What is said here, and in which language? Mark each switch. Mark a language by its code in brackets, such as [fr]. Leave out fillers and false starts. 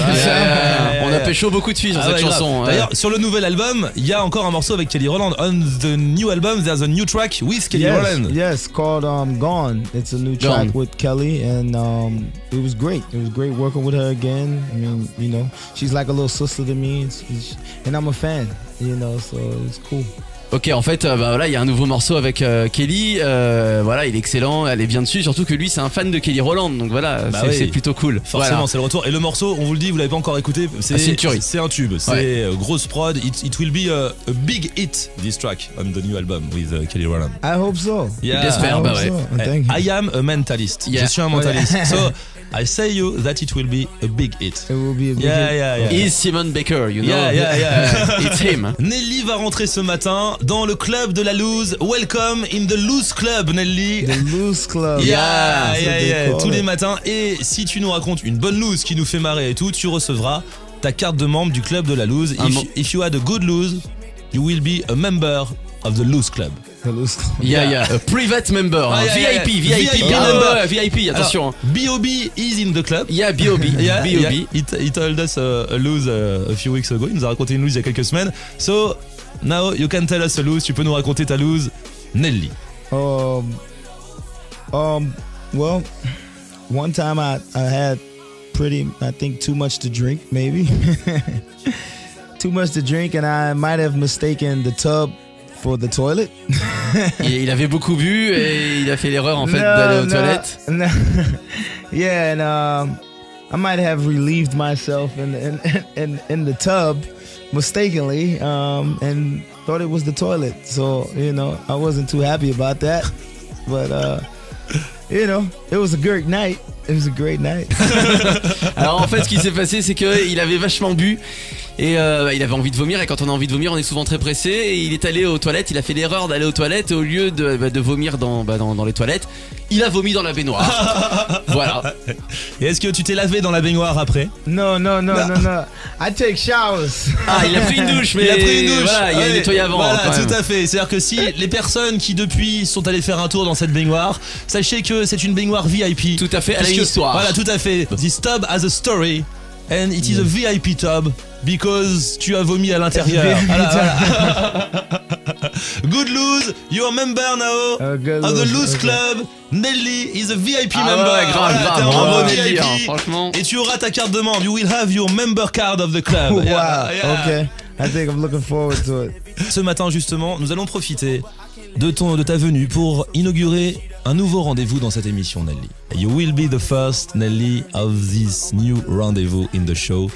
[fr] On a pécho beaucoup de filles sur cette chanson. Grave. D'ailleurs, sur le nouvel album, il y a encore un morceau avec Kelly Rowland. [en] On the new album, there's a new track with Kelly Rowland. Yes, called Gone. It's a new track with Kelly, and it was great. It was great working with her again. I mean, you know, she's like a little sister to me, and I'm a fan. You know, so it's cool. [fr] Ok, en fait, voilà, il y a un nouveau morceau avec Kelly. Voilà, il est excellent, elle est bien dessus. Surtout que lui, c'est un fan de Kelly Rowland. Donc voilà, c'est plutôt cool. Forcément, voilà. C'est le retour. Et le morceau, on vous le dit, vous l'avez pas encore écouté. C'est un tube. C'est grosse prod. [en] It will be a big hit, this track, on the new album with Kelly Rowland. I hope so. [fr] Yeah. J'espère, [en] I am a mentalist. Yeah. [fr] Je suis un mentaliste. [en] So, I say you that it will be a big hit. It will be a big hit. Is Simon Baker, you know. Yeah. It's him. [fr] Nelly va rentrer ce matin dans le club de la loose. [en] Welcome in the loose club, Nelly. The loose club. [fr] Yeah. Tous les matins. Et si tu nous racontes une bonne loose qui nous fait marrer et tout, tu recevras ta carte de membre du club de la loose. [en] If you had a good loose, you will be a member of the loose club. Yeah. A private member, VIP, attention. B.O.B. is in the club. Yeah, B.O.B. He told us a loose a few weeks ago. [fr] Il nous a raconté une loose il y a quelques semaines. [en] So, now you can tell us a loose. [fr] Tu peux nous raconter ta loose, Nelly. [en] Well, one time I had too much to drink, maybe. Too much to drink, and I might have mistaken the tub for the toilet. [fr] Il avait beaucoup bu et il a fait l'erreur en fait d'aller aux toilettes. [en] Yeah, and I might have relieved myself in the tub mistakenly and thought it was the toilet. So, you know, I wasn't too happy about that. But you know, it was a great night. It was a great night. [fr] Alors en fait, ce qui s'est passé, c'est que il avait vachement bu. Et il avait envie de vomir, et quand on a envie de vomir, on est souvent très pressé. Et il est allé aux toilettes, il a fait l'erreur d'aller aux toilettes, et au lieu de vomir dans les toilettes, il a vomi dans la baignoire. Voilà. Et est-ce que tu t'es lavé dans la baignoire après? [en] Non. I take showers. [fr] Ah, il a pris une douche, il a nettoyé avant. Voilà, tout à fait. C'est-à-dire que si les personnes qui depuis sont allées faire un tour dans cette baignoire, sachez que c'est une baignoire VIP. Tout à fait, elle a une histoire. Voilà, tout à fait. [en] This tub has a story, and it is a VIP tub. [fr] Because tu as vomi à l'intérieur. [en] Good lose, you are a member now of the lose club. Nelly is a VIP member. [fr] Ouais, grave. T'es grave, un VIP. Hein, franchement. Et tu auras ta carte de membre. [en] You will have your member card of the club. Wow. Okay. I think I'm looking forward to it. [fr] Ce matin justement, nous allons profiter de ta venue pour inaugurer un nouveau rendez-vous dans cette émission, Nelly. [en] You will be the first, Nelly, of this new rendezvous in the show.